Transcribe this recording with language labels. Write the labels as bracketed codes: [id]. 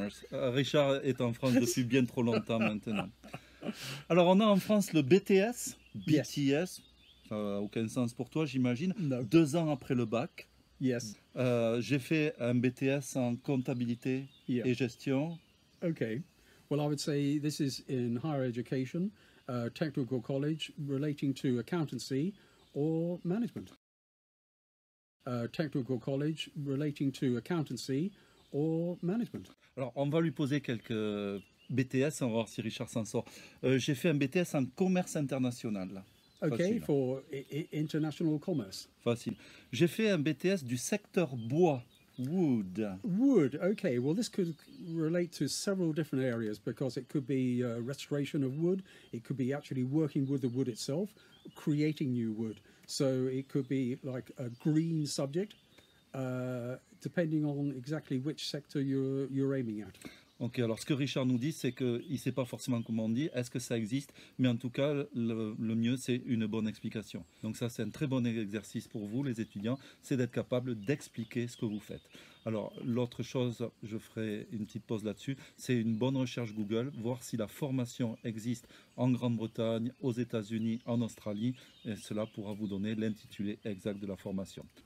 [fr] Richard est en France depuis bien trop longtemps maintenant. Alors, on a en France le BTS. BTS, [en] yes. [fr] Ça n'a aucun sens pour toi, j'imagine. [en] No. [fr] 2 ans après le bac. [en] Yes. [fr] J'ai fait un BTS en comptabilité, [en] yeah, [fr] et gestion. [en] Ok. Well, I would say this is in higher education, technical college, relating to accountancy or management. Technical college, relating to accountancy. Or management. [fr] Alors, on va lui poser quelques BTS, on va voir si Richard s'en sort. J'ai fait un BTS en commerce international. Ok, facile. [en] For international commerce. [fr] Facile. J'ai fait un BTS du secteur bois, wood. [en] Wood, ok. Well, this could relate to several different areas because it could be restoration of wood, it could be actually working with the wood itself, creating new wood. So it could be like a green subject. Depending on exactly which sector you're aiming at. [fr] Ok, alors ce que Richard nous dit, c'est qu'il ne sait pas forcément comment on dit, est-ce que ça existe, mais en tout cas, le mieux, c'est une bonne explication. Donc ça, c'est un très bon exercice pour vous, les étudiants, c'est d'être capable d'expliquer ce que vous faites. Alors, l'autre chose, je ferai une petite pause là-dessus, c'est une bonne recherche Google, voir si la formation existe en Grande-Bretagne, aux États-Unis, en Australie, et cela pourra vous donner l'intitulé exact de la formation.